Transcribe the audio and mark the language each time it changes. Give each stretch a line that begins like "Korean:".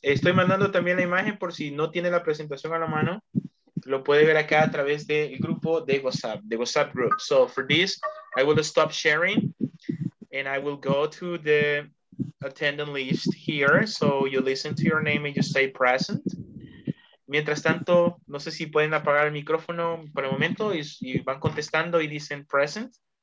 Spanish: Estoy mandando también la imagen por si no tiene la presentación a la mano. Lo puede ver acá a través del grupo de WhatsApp,
English: the WhatsApp group. So for this, I will stop sharing and I will go to the attendant list here. So you listen to your name and you stay present.
Spanish: Mientras tanto, no sé si pueden apagar el micrófono por el momento y van contestando y dicen present.